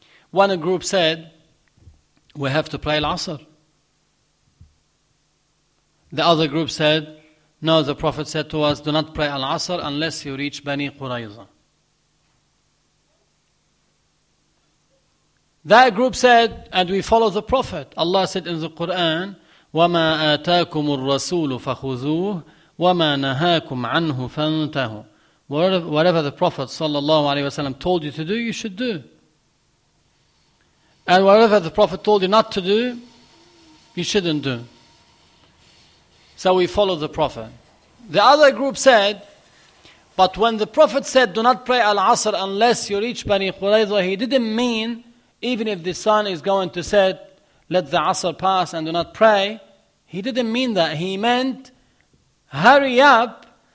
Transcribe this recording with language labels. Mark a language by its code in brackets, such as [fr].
[en] One group said, we have to pray al-Asr. The other group said, no, the Prophet said to us, do not pray al-Asr unless you reach Bani Qurayza. That group said, and we follow the Prophet. Allah said in the Quran, [ar] وَمَا آتَاكُمُ الرَّسُولُ فَخُذُوهُ وَمَا نَهَاكُمْ عَنْهُ فَانْتَهُ. [en] Whatever the Prophet sallallahu alaihi wasallam told you to do, you should do. And whatever the Prophet told you not to do, you shouldn't do. So we follow the Prophet. The other group said, but when the Prophet said, do not pray al-Asr unless you reach Bani Qurayza, he didn't mean, even if the sun is going to set, let the Asr pass and do not pray. He didn't mean that. He meant, hurry up